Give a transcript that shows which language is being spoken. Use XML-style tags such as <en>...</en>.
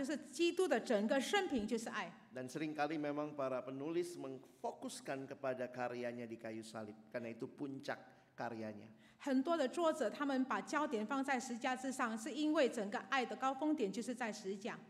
<zh>如果你明白爱的话，这就是爱，就是基督的整个生平就是爱。</zh> <id>Dan seringkali memang para penulis memfokuskan kepada karyanya di kayu salib, karena itu puncak karyanya.</id> <zh>很多的作者他们把焦点放在十字架之上，是因为整个爱的高峰点就是在十字架。</zh>